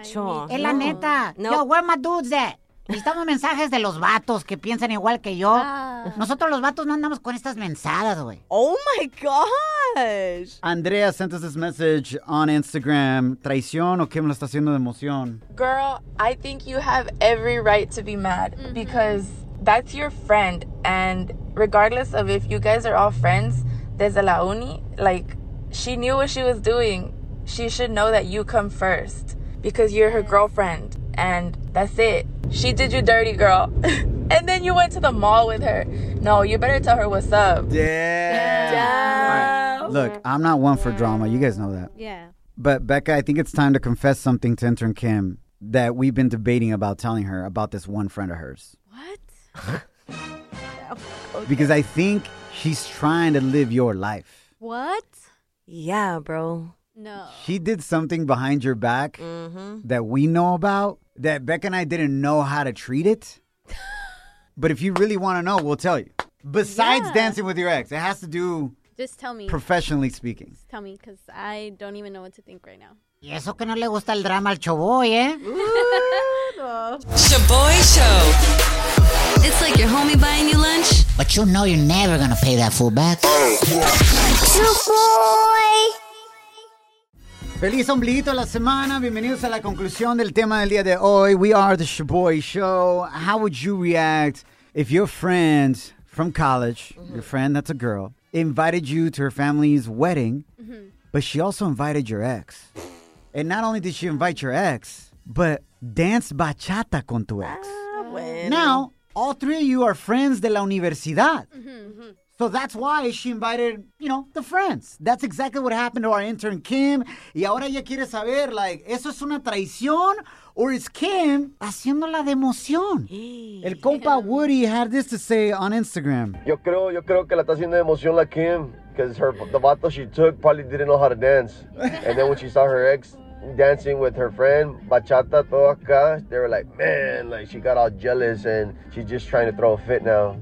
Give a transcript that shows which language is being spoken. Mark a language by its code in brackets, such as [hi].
[es] Es la neta. [en] Yo, where my dudes at? [es] Necesitamos mensajes de los vatos que piensan igual que yo. Nosotros los vatos no andamos con estas mensadas, güey. [en] Oh, my gosh. Andrea sent us this message on Instagram. [es] ¿Traición o qué me lo está haciendo de emoción? [en] Girl, I think you have every right to be mad because that's your friend. And regardless of if you guys are all friends, [es] desde la uni, [en] like, she knew what she was doing. She should know that you come first because you're her girlfriend. And that's it. She did you dirty, girl. And then you went to the mall with her. No, you better tell her what's up. Damn. Look, I'm not one for drama. You guys know that. Yeah. But Becca, I think it's time to confess something to intern Kim that we've been debating about telling her about this one friend of hers. What? Okay. Because I think she's trying to live your life. What? Yeah, bro. No. She did something behind your back that we know about. That Becca and I didn't know how to treat it. But if you really want to know, we'll tell you. Besides dancing with your ex, it has to do... Just tell me. Professionally speaking. Just tell me, because I don't even know what to think right now. [es] Y eso que no le gusta el drama al Shaboy, ¿eh? [en] Shaboy Show. It's like your homie buying you lunch. But you know you're never going to pay that fool back. Shaboy. [es] Feliz ombliguito a la semana. Bienvenidos a la conclusión del tema del día de hoy. [en] We are the Shaboy Show. How would you react if your friend from college, your friend that's a girl, invited you to her family's wedding, but she also invited your ex? And not only did she invite your ex, but danced bachata [es] con tu ex. [en] Now, all three of you are friends [es] de la universidad. [en] So that's why she invited, you know, the friends. That's exactly what happened to our intern, Kim. [es] Y ahora ella quiere saber, like, ¿eso es una traición? [en] Or is [es] Kim haciéndola de emoción? El compa [en] Woody had this to say on Instagram. [es] Yo creo que la está haciendo de emoción la Kim. [en] Because the vato she took probably didn't know how to dance. And then when she saw her ex dancing with her friend, [es] bachata toca, [en] they were like, man, like, she got all jealous and she's just trying to throw a fit now.